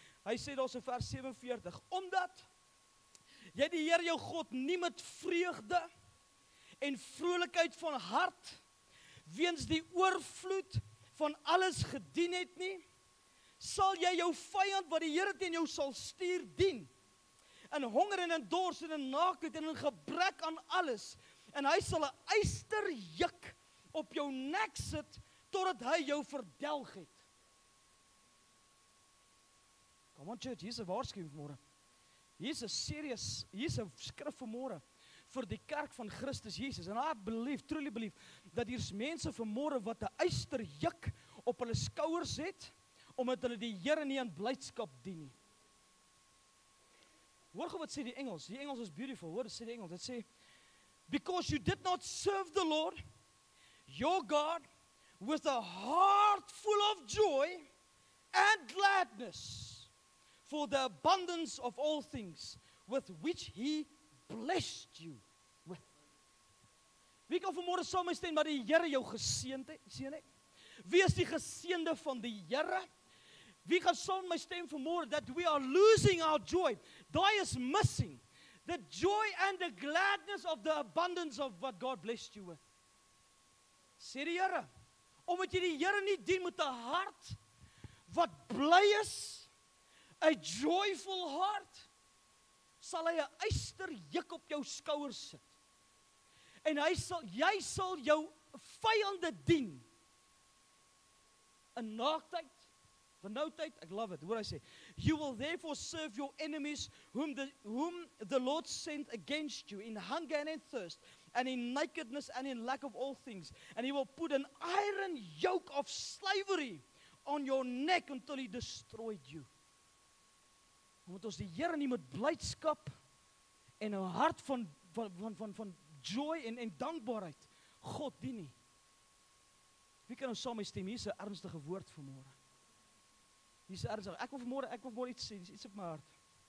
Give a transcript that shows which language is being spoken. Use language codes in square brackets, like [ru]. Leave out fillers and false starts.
[af] Hy sê daar in vers 47, omdat jy die Heer jou God nie met vreugde en vrolijkheid van hart weens die oorvloed van alles gedien het nie, sal jy jou vijand wat die Heere teen jou sal stuur dien, in honger en in dors en in naakheid en in gebrek aan alles, en hy sal 'n eisterjuk op jou nek sit totdat hy jou verdelg het. Kom aan church, hier is een waarschuwing vanmorgen. Hier is een serious, hier is een skrif vanmorgen vir die kerk van Christus Jesus. [en] And I believe, truly believe, [af] dat hier is mense vanmorgen wat een eisterjuk op hulle skouers het, omdat hulle die Here nie aan blydskap dien nie. Hoor gou wat sê die Engels, die Engels is beautiful, hoor wat sê die Engels, het sê, [en] because you did not serve the Lord, your God, with a heart full of joy and gladness, for the abundance of all things with which he blessed you with. [af] Wie kan vanmôre saam met my stem dat die Here jou geseën het? Wie is die geseënde van die Here? Wie kan saam met my stem vanmôre [en] that we are losing our joy? [af] Daai is missing. [en] The joy and the gladness of the abundance of what God blessed you with. [af] Sê die Here, omdat jy die Here nie dien met 'n hart wat bly is, [en] a joyful heart, [af] sal hy 'n yster juk op jou skouers sit. En hy sal, jy sal jou vyande dien. In naaktheid, benoudheid, ek love it, hoor hy sê, [en] you will therefore serve your enemies whom the Lord sent against you in hunger and in thirst, and in nakedness and in lack of all things. And he will put an iron yoke of slavery on your neck until he destroyed you. [af] Omdat ons die Here nie met blydskap en 'n hart van joy en dankbaarheid God dien nie. Wie kan ons saam met stem? Hier's 'n ernstige woord vanmôre. Hier's 'n ernstige. Ek wil vanmôre iets sê, iets op my hart.